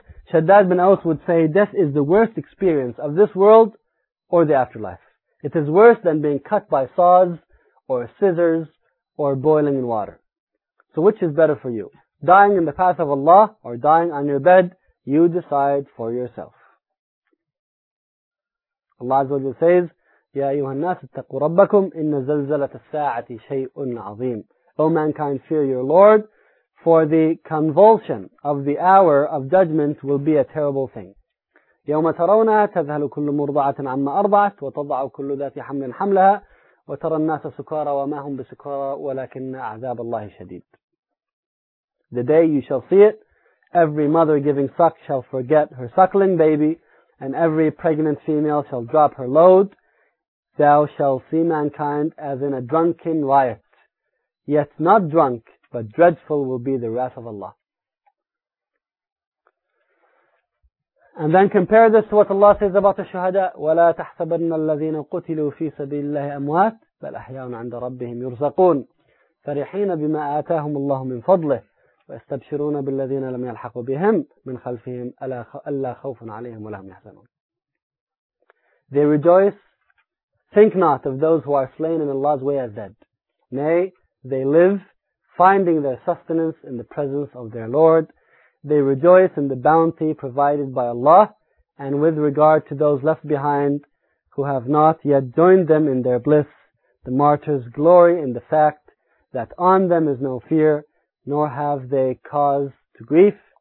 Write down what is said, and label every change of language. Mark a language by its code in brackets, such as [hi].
[en] Shaddad bin Aus would say, death is the worst experience of this world or the afterlife. It is worse than being cut by saws or scissors or boiling in water. So which is better for you? Dying in the path of Allah or dying on your bed? You decide for yourself. Allah Azza wa Jalla says, [ar] يَا أَيُّهَا النَّاسِ اتَّقُوا رَبَّكُمْ إِنَّ زَلْزَلَةَ السَّاعَةِ شَيْءٌ عَظِيمٌ. [en] O mankind, fear your Lord, for the convulsion of the hour of judgment will be a terrible thing. [ar] يَوْمَ تَرَوْنَا تَذْهَلُ كُلُّ مُرْضَعَةٍ عَمَّا أَرْضَعَتْ وَتَضَعُ كُلُّ ذَاتِ حَمْلٍ حَمْلَهَا وَتَرَى النَّاسَ سُكَارَى وَمَا هُمْ بِسُكَارَى وَلَكِنَّ عَذَابَ اللَّهِ شَدِيدٌ. [en] The day you shall see it, every mother giving suck shall forget her suckling baby, and every pregnant female shall drop her load. Thou shalt see mankind as in a drunken riot. Yet not drunk, but dreadful will be the wrath of Allah. And then compare this to what Allah says about the shuhada, [ar] وَلَا تَحْسَبَنَّ الَّذِينَ قُتِلُوا فِي سَبِيلِ اللَّهِ أَمْوَاتٍ بَلْ أَحْيَاءٌ عَنْدَ رَبِّهِمْ يُرْزَقُونَ فَرِحِينَ بِمَا آتَاهُمُ اللَّهُ مِنْ فَضْلِهِ وَيَسْتَبْشِرُونَ بِالَّذِينَ لَمْ يَلْحَقُوا بِهِمْ مِنْ خَلْفِهِمْ أَلَّا خَوْفٌ عَلَيْهِمْ وَلَهُمْ يَحْزَنُونَ. [en] They rejoice, think not of those who are slain in Allah's way as dead. Nay, they live, finding their sustenance in the presence of their Lord. They rejoice in the bounty provided by Allah, and with regard to those left behind who have not yet joined them in their bliss, the martyrs glory in the fact that on them is no fear, nor have they cause to grief.